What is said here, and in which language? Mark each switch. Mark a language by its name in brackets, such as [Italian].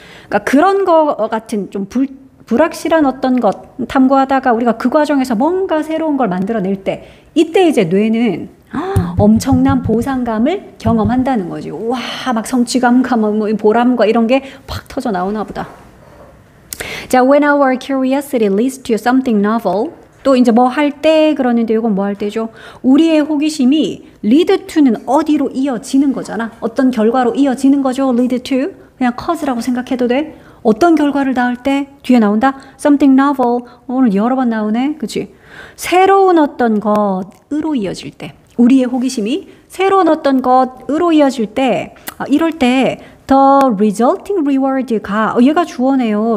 [Korean] 그러니까 그런 거 같은 좀 불확실한 어떤 것 탐구하다가 우리가 그 과정에서 뭔가 새로운 걸 만들어낼 때 이때 이제 뇌는 엄청난 보상감을 경험한다는 거지. 와, 막 성취감과 뭐 보람과 이런 게 팍 터져 나오나 보다. [English] 자, when our curiosity leads to something novel. [Korean] 또 이제 뭐 할 때 그러는데 이건 뭐 할 때죠? 우리의 호기심이 lead to는 어디로 이어지는 거잖아. 어떤 결과로 이어지는 거죠? lead to 그냥 cause라고 생각해도 돼. 어떤 결과를 낳을 때 뒤에 나온다? [English] something novel [Korean] 오늘 여러 번 나오네. 그치? 새로운 어떤 것으로 이어질 때 우리의 호기심이 새로운 어떤 것으로 이어질 때 이럴 때 [English] the resulting reward [Korean] 가 얘가 주어네요.